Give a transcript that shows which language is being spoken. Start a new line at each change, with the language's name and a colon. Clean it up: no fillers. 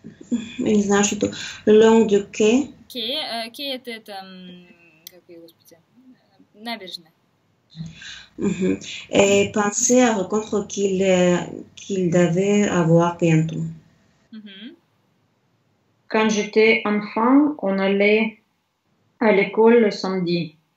French: Il marchait le long du quai. Quai était
Russian: как его, господи, набережная.
French: Et pensait à rencontre qu'il devait avoir bientôt. Quand j'étais enfant, on allait à l'école le samedi.